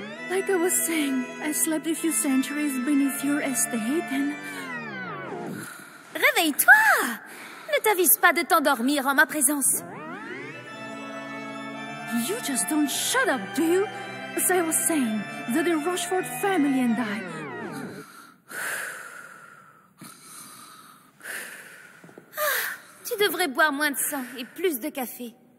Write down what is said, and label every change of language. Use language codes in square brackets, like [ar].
[en] Like I was saying, I slept a few centuries beneath your estate and... [fr] Réveille-toi! Ne t'avise pas de t'endormir en ma présence. [en] You just don't shut up, do you? As I was saying, that the Rochefort family and I... [fr] Tu devrais boire moins de sang et plus de café.